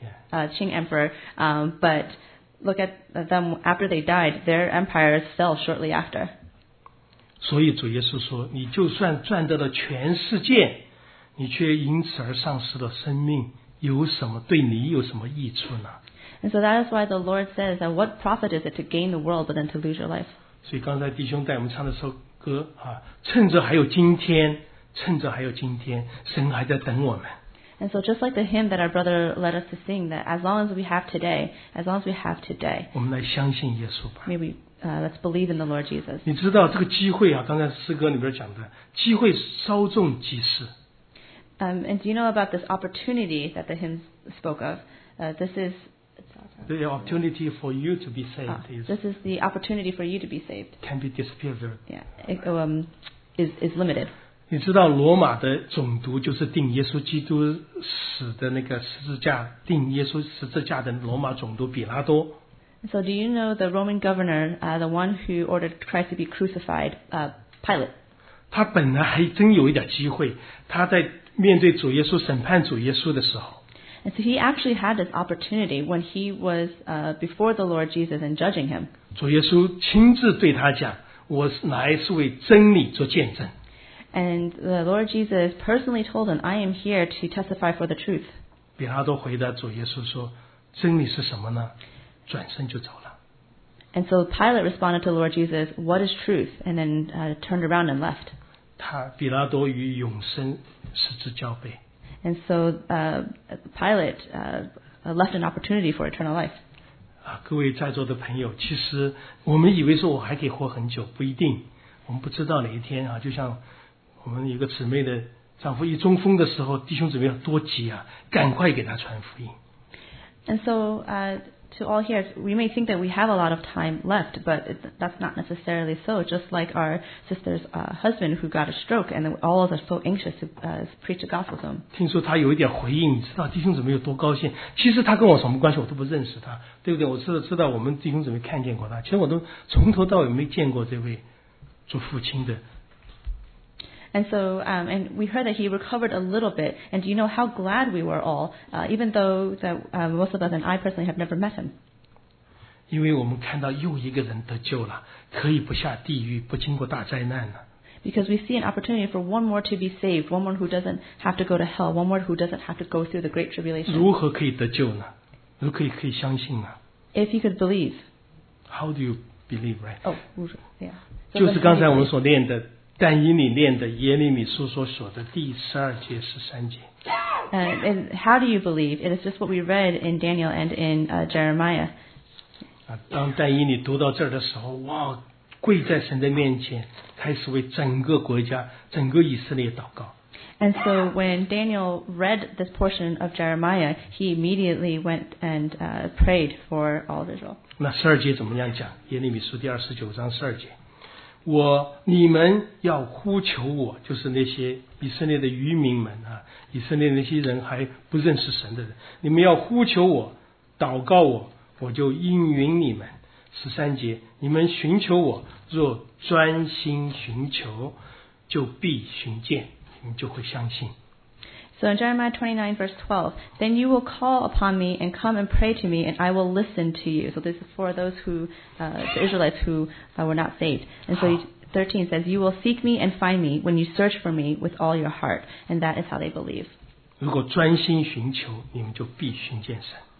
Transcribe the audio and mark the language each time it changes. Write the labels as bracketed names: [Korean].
[English] Qing Emperor, but look at them after they died, their empire fell shortly after. [Chinese] 所以主耶稣说，你就算赚得了全世界，你却因此而丧失了生命，有什么对你有什么益处呢？ [English] And so that is why the Lord says that what profit is it to gain the world but then to lose your life? [Chinese] 所以刚才弟兄带我们唱的首歌啊，趁着还有今天，趁着还有今天，神还在等我们。 [English] And so just like the hymn that our brother led us to sing, that as long as we have today, as long as we have today, [Chinese] 我们来相信耶稣吧。 [English] Maybe let's believe in the Lord Jesus. [Chinese] 你知道这个机会啊，刚才诗歌里边讲的，机会稍纵即逝。 [English] And do you know about this opportunity that the hymn spoke of? This is the opportunity for you to be saved. This is the opportunity for you to be saved. Can be disappeared. Yeah, it is limited. [Chinese] 你知道罗马的总督就是钉耶稣基督死的那个十字架，钉耶稣十字架的罗马总督比拉多。 [English] So do you know the Roman governor, the one who ordered Christ to be crucified, Pilate? [Chinese] 他本来还真有一点机会，他在面对主耶稣审判主耶稣的时候。 [English] And so he actually had this opportunity when he was before the Lord Jesus and judging him. [Chinese] 主耶稣亲自对他讲：“我来是为真理做见证。” [English] And the Lord Jesus personally told him, I am here to testify for the truth. [Chinese] 比拉多回答主耶稣说，真理是什么呢？转身就走了。 [English] And so Pilate responded to the Lord Jesus, what is truth? And then turned around and left. [Chinese] 他比拉多与永生失之交臂。 [English] And so Pilate left an opportunity for eternal life. [Chinese] 各位在座的朋友，其实我们以为说我还可以活很久，不一定。我们不知道哪一天啊，就像我们一个姊妹的丈夫一中风的时候，弟兄姊妹要多急啊，赶快给他传福音。 [English] And so, to all here, we may think that we have a lot of time left, but that's not necessarily so. Just like our sister's husband who got a stroke, and all of us so anxious to preach the gospel to him. [Chinese] 听说他有一点回应，你知道弟兄姊妹有多高兴？其实他跟我什么关系，我都不认识他，对不对？我知道我们弟兄姊妹看见过他，其实我都从头到尾没见过这位做父亲的。 [English] And so, and we heard that he recovered a little bit. And do you know how glad we were all, even though that most of us and I personally have never met him? [Chinese] 因为我们看到又一个人得救了，可以不下地狱，不经过大灾难了。 [English] Because we see an opportunity for one more to be saved, one more who doesn't have to go to hell, one more who doesn't have to go through the great tribulation. [Chinese] 如何可以得救呢？如何可以相信呢？ [English] If you could believe. How do you believe, right? Oh, yeah. [Chinese] 就是刚才我们所念的。但以你念的耶利米书所说的第十二节十三节。 [English] And how do you believe? It is just what we read in Daniel and in Jeremiah. [Chinese] 当但以你读到这儿的时候，哇，跪在神的面前，开始为整个国家、整个以色列祷告。 [English] And so when Daniel read this portion of Jeremiah, he immediately went and prayed for all of Israel. [Chinese] 那十二节怎么样讲？耶利米书第二十九章十二节。我你们要呼求我，就是那些以色列的渔民们啊，以色列那些人还不认识神的人，你们要呼求我，祷告我，我就应允你们。十三节，你们寻求我，若专心寻求，就必寻见，你们就会相信。 [English] So in Jeremiah 29 verse 12, then you will call upon me and come and pray to me and I will listen to you. So this is for those who, the Israelites who were not saved. And so 13 says, you will seek me and find me when you search for me with all your heart. And that is how they believe. [Chinese] 如果专心寻求，你们就必寻见神。